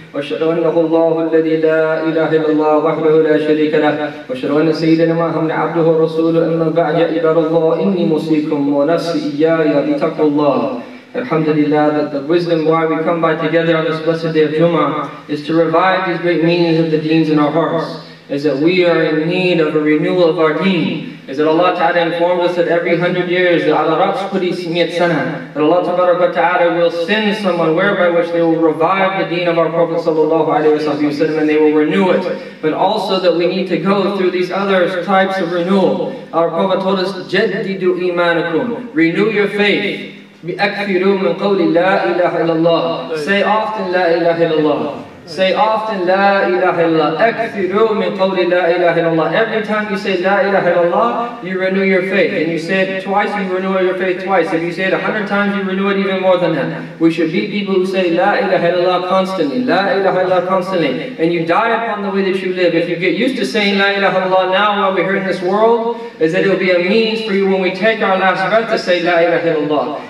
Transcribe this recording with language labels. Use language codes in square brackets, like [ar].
[ar] وأشهد أن الله الذي لا إله إلا الله وحده لا شريك له وأشهد أن سيدنا محمد عبده ورسوله. أما بعد يا عباد الله إني موصيكم ونفسي إياي بتقوى الله. [en] Alhamdulillah, that the wisdom why we come by together on this blessed day of Jummah is to revive these great meanings of the deens in our hearts. Is that we are in need of a renewal of our deen. Is that Allah Ta'ala informed us that every 100 years, that ala raqs kudi simiyat sana, that Allah Ta'ala will send someone whereby which they will revive the deen of our Prophet Sallallahu Alaihi Wasallam, and they will renew it. But also that we need to go through these other types of renewal. Our Prophet told us, jaddidu imanakum, renew your faith. [ar] بأكثر من قول لا إله إلا الله. [en] Say often [ar] لا إله إلا الله. [en] Say often, [ar] La ilaha illa. Akthiru min qawli La ilaha illallah. [en] Every time you say La ilaha illallah, you renew your faith. And you say it twice, you renew your faith twice. If you say it 100 times, you renew it even more than that. We should be people who say La ilaha illallah constantly. La ilaha illallah constantly. And you die upon the way that you live. If you get used to saying La ilaha illallah now while we're here in this world, is that it will be a means for you when we take our last breath to say La ilaha illallah.